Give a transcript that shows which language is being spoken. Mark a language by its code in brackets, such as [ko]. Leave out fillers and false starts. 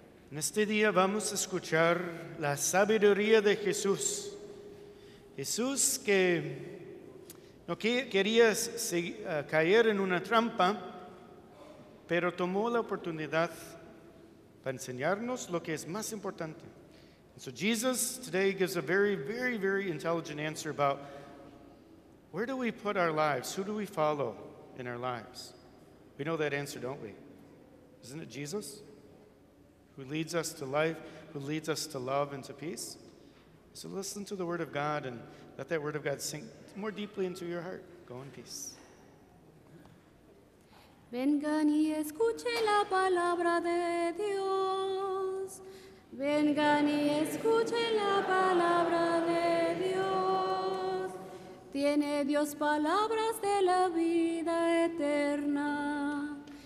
[es] En este día vamos a escuchar la sabiduría de Jesús. Jesús que no quería caer en una trampa, pero tomó la oportunidad para enseñarnos lo que es más importante, [en] So Jesus today gives a very, very, very intelligent answer about where do we put our lives? Who do we follow in our lives? We know that answer, don't we? Isn't it Jesus who leads us to life, who leads us to love and to peace? So listen to the word of God and let that word of God sink more deeply into your heart. Go in peace. [es] Vengan y escuchen la palabra de Dios. Vengan y escuchen la palabra de Dios. Tiene Dios palabras de la vida eterna.